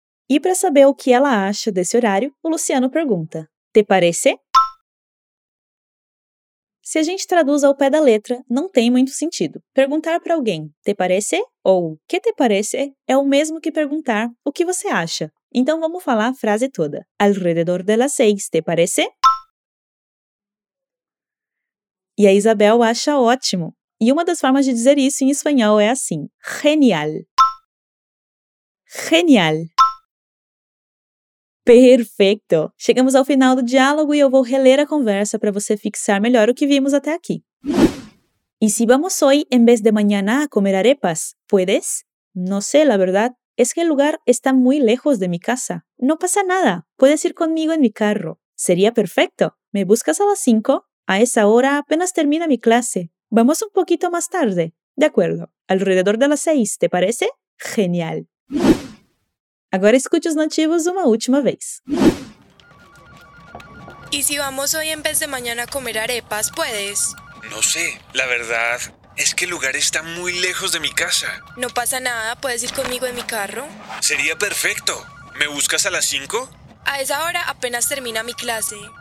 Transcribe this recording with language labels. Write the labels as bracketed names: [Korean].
[Portuguese] E para saber o que ela acha desse horário, o Luciano pergunta: [Spanish] te parece? [Portuguese] Se a gente traduz ao pé da letra, não tem muito sentido. Perguntar para alguém, [Spanish] te parece? [Portuguese] Ou, [Spanish] que te parece? [Portuguese] É o mesmo que perguntar, o que você acha? Então, vamos falar a frase toda. [Spanish] Alrededor de las 6, te parece? [Portuguese] E a Isabel acha ótimo. E uma das formas de dizer isso em espanhol é assim. Genial. Genial. Perfeito! Chegamos ao final do diálogo e eu vou reler a conversa para você fixar melhor o que vimos até aqui. [Spanish] ¿Y si vamos hoy en vez de mañana a comer arepas? ¿Puedes? No sé, la verdad. Es que el lugar está muy lejos de mi casa. No pasa nada. Puedes ir conmigo en mi carro. Sería perfecto. ¿Me buscas a las 5? A esa hora apenas termina mi clase. Vamos un poquito más tarde. De acuerdo. Alrededor de las 6, ¿te parece? Genial. [Portuguese] Agora escute os nativos uma última vez. [Spanish] ¿Y si vamos hoy en vez de mañana a comer arepas, puedes? No sé, la verdad es que el lugar está muy lejos de mi casa. No pasa nada, puedes ir conmigo en mi carro. Sería perfecto. ¿Me buscas a las 5? A esa hora apenas termina mi clase.